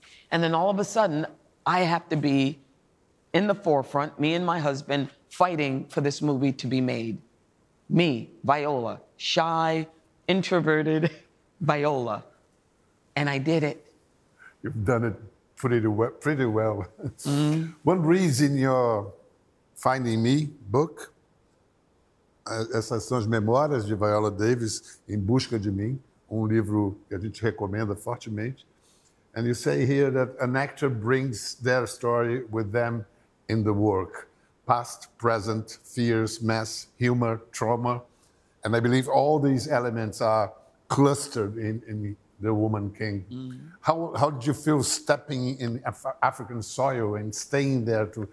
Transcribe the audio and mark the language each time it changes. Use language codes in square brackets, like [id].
[en] And then all of a sudden, I have to be in the forefront, me and my husband, fighting for this movie to be made. Me, Viola, shy, introverted Viola. And I did it. You've done it pretty well. Mm-hmm. [pt] One reason your Finding Me book, essas são as memórias de Viola Davis, Em Busca de Mim, um livro que a gente recomenda fortemente. [en] And you say here that an actor brings their story with them in the work. Past, present, fears, mess, humor, trauma. And I believe all these elements are clustered in The Woman King. Mm. How did you feel stepping in African soil and staying there?